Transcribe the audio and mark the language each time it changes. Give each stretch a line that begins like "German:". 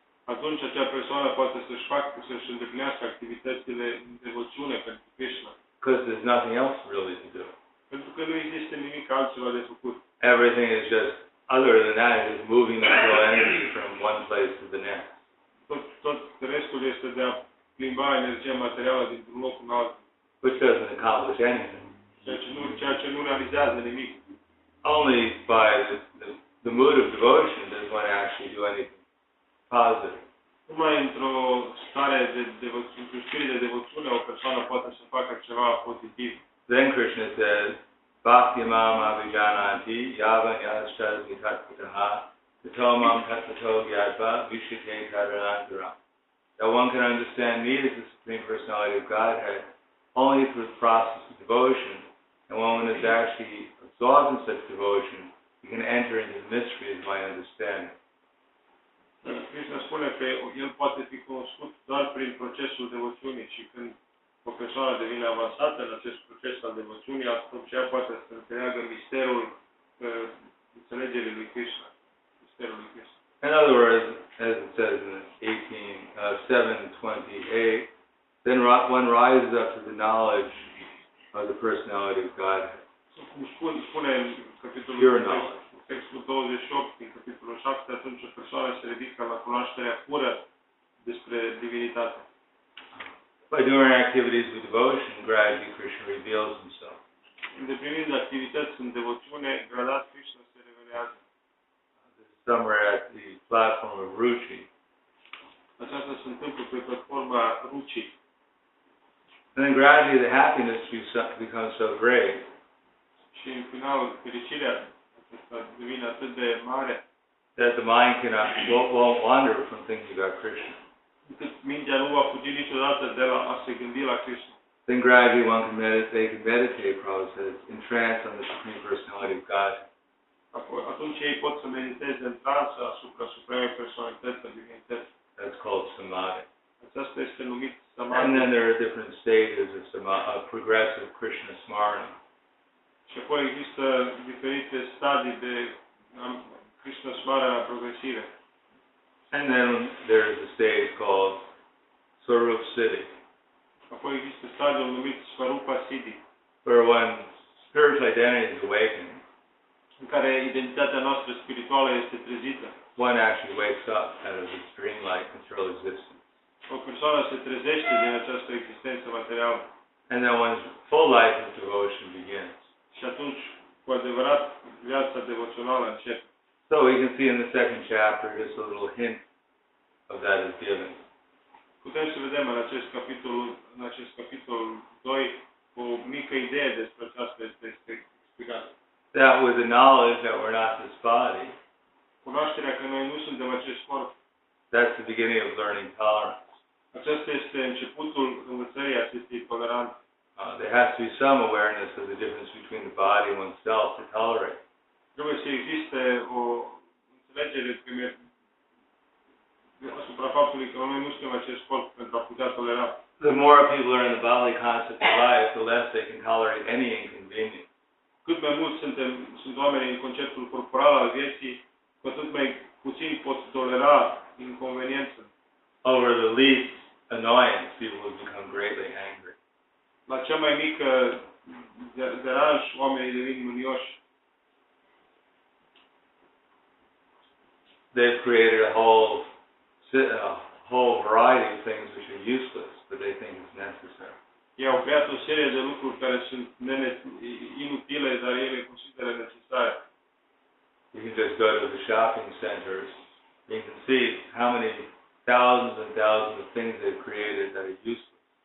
Romanian: Atunci acea persoană poate să-și facă, să-și îndeplinească activitățile în devoțiune pentru Krishna.
English: Because there's nothing else really to do.
Romanian: Pentru că nu există nimic altceva de făcut.
English: Everything is just, other than that, is moving the mental energy from one place to the next.
Romanian: Tot restul este de a plimba energia materială dintr-un loc în altul.
English: Which doesn't accomplish anything.
Romanian: Ceea ce nu realizează nimic.
English: Only by the mood of devotion does one actually do anything positive.
Romanian: Numai într-o stare de devoțiune, de devoțiune, o persoană poate să facă ceva pozitiv.
English: Then Krishna says,
Sanskrit: "Bhakti mam avijanati yava yashchadi tatkutaha tatomam tatkutogyadva vishite karanagra."
English: That one can understand me as the Supreme Personality of Godhead only through the process of devotion, and one is actually God in such devotion, you can enter into the mystery of my understanding.
Romanian: Krishna spune că el poate fi cunoscut doar prin procesul devoțiunii și când o persoană devine avansată în acest proces al devoțiunii, atunci ea poate să înțeleagă misterul înțelegerii lui Krishna. Misterul lui Krishna.
English: In other words, as it says in 7:28, then one rises up to the knowledge of the personality of God.
Romanian: Cum spune în capitolul 28, din capitolul 7, atunci o persoană se ridică la cunoașterea pură despre divinitate.
English: By doing activities with devotion, gradually Krishna reveals himself.
Romanian: Îndeplinind activități în devoțiune, gradat Krishna se revelează.
English: This is somewhere at the platform of Ruchi.
Romanian: Aceasta se întâmplă pe platforma Ruchi.
English: And then gradually the happiness becomes so great.
Romanian: Și în final fericirea acesta devine atât de mare.
English: That the mind cannot won't wander from thinking about Krishna.
Romanian: Mintea nu va fugi niciodată de la a se gândi la Krishna.
English: Then gradually one can meditate, Prabhupada says, in trance on the Supreme Personality of God.
Romanian: Atunci ei pot să mediteze în trance asupra Supremei Personalități a Divinității.
English: That's called samadhi.
Romanian: Aceasta este numit samadhi.
English: And then there are different stages of samadhi, of progressive Krishna smarana.
Romanian: Și apoi există diferite stadii de Krishna smarana progresive.
English: And then there is a stage called Swarupa Siddhi.
Romanian: Apoi există stadiul numit Swarupa Siddhi.
English: Where one spiritual identity is awakened.
Romanian: În care identitatea noastră spirituală este trezită.
English: One actually wakes up out of this dreamlike material existence.
Romanian: O persoană se trezește din această existență materială.
English: And then one's full life of devotion begins.
Romanian: Și atunci, cu adevărat, viața devoțională începe.
English: So we can see in the second chapter just a little hint of that is given.
Romanian: Putem să vedem în acest capitol, în acest capitol 2, o mică idee despre aceasta este explicată.
English: That with the knowledge that we're not this body,
Romanian: cunoașterea că noi nu suntem acest corp,
English: that's the beginning of learning tolerance.
Romanian: Acesta este începutul învățării acestei toleranțe.
English: There has to be some awareness of the difference between the body and oneself to tolerate.
Romanian: Trebuie să existe o înțelegere asupra faptului că noi nu suntem acest corp pentru a putea tolera.
English: The more people are in the bodily concept of life, the less they can tolerate any inconvenience.
Romanian: Cât mai mult sunt oameni în conceptul corporal al vieții, cu atât mai puțin pot tolera inconveniență.
English: Over the least annoyance, people will become greatly angry.
Romanian: La cea mai mică deranj, oamenii devin mânioși.
English: They've created a whole variety of things which are useless, but they think it's necessary.
Romanian: Ei au creat o serie de lucruri care sunt inutile, dar ele consideră necesare.
English: You can just go to the shopping centers. You can see how many thousands and thousands of things they've created that are useless.